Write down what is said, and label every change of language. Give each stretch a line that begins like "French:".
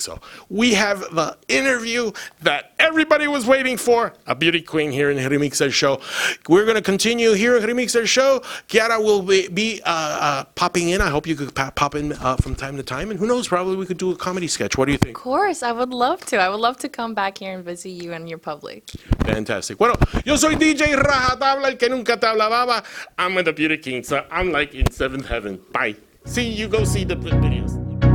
English: So we have the interview that everybody was waiting for, a beauty queen here in Remixer Show. We're going to continue here at Remixer Show. Kiara will be popping in. I hope you could pop in from time to time. And who knows, probably we could do a comedy sketch. What do you think? Of course. I would love to. I would love to come back here and visit you and your public. Fantastic.
Spanish: Bueno, yo soy DJ Rajatabla, el que nunca te hablaba.
English: I'm with the beauty king, so I'm like in seventh heaven. Bye. See you, go see the videos.